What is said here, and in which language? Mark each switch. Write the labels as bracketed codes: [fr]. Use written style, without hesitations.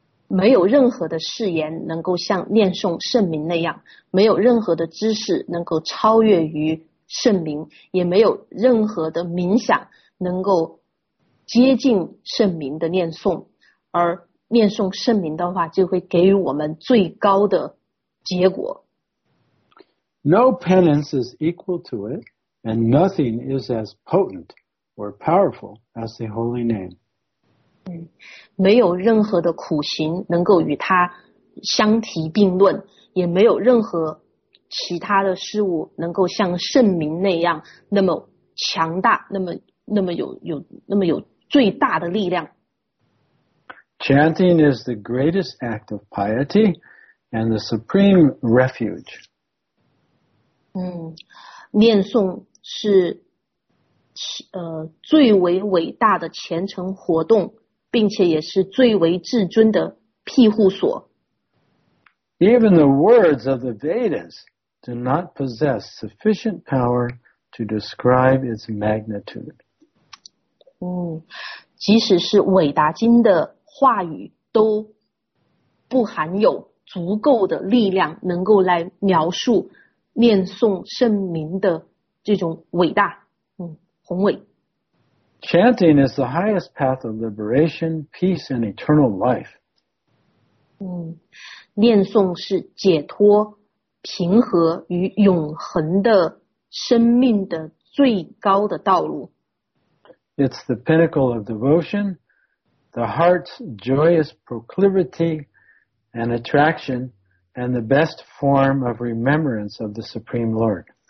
[zh] 没有任何的誓言能够像念诵圣名那样，没有任何的知识能够超越于圣名，也没有任何的冥想能够接近圣名的念诵，而念诵圣名的话就会给予我们最高的结果。 [en] No penance is equal to it, and nothing is as potent or powerful as the holy name. [zh] 没有任何的苦行能够与它相提并论，也没有任何其他的事物能够像圣名那样那么强大，那么有最大的力量。 [en] Chanting is the greatest act of piety and the supreme refuge. [zh] 念诵是最为伟大的虔诚活动，并且也是最为至尊的庇护所。 [en] Even the words of the Vedas do not possess sufficient power to describe its magnitude. [zh] 即使是伟达经的话语都不含有足够的力量能够来描述念诵圣名的这种伟大，宏伟。 [en] Chanting is the highest path of liberation, peace, and eternal life. [zh] 念诵是解脱、平和与永恒的生命的最高的道路。 [en] It's the pinnacle of devotion, the heart's joyous proclivity and attraction, and the best form of remembrance of the Supreme Lord.